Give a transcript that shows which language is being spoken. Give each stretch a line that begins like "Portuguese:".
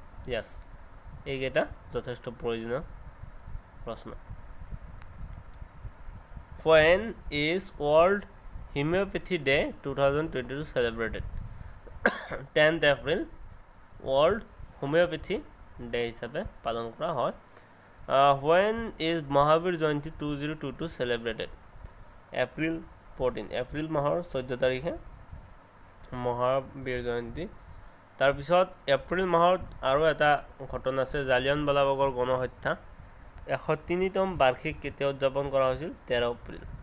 Assamese: ইয়াছ, এইকেইটা যথেষ্ট প্ৰয়োজনীয় প্ৰশ্ন।
English: When is World Homeopathy Day 2022 celebrated?
Assamese: 10th April World Homeopathy Day হিচাপে পালন কৰা হয়।
English: When is Mahavir Jayanti 2022 celebrated?
Assamese: April মাহৰ 14 তাৰিখে মহাবীৰ জয়ন্তী। তাৰপিছত এপ্ৰিল মাহত আৰু এটা ঘটনা আছে, জালিয়ানবালাবাগৰ গণহত্যা 103তম বাৰ্ষিক কেতিয়া উদযাপন কৰা হৈছিল? 13 এপ্ৰিল।